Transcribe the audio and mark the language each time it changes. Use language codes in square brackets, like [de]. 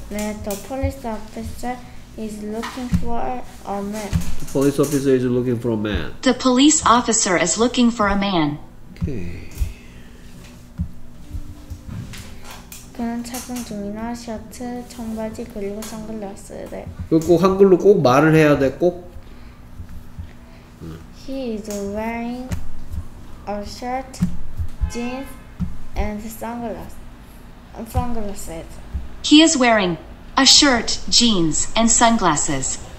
[en] 네, the police officer is looking for a man. The police officer is looking for a man. The police officer is looking for a man. Okay. [ko] 그는 착용 중이나 셔츠, 청바지 그리고 선글라스를. 네. 그리고 꼭 한글로 꼭 말을 해야 돼 꼭. [en] He is wearing a shirt, jeans, and sunglasses. Sunglasses. He is wearing a shirt, jeans, and sunglasses.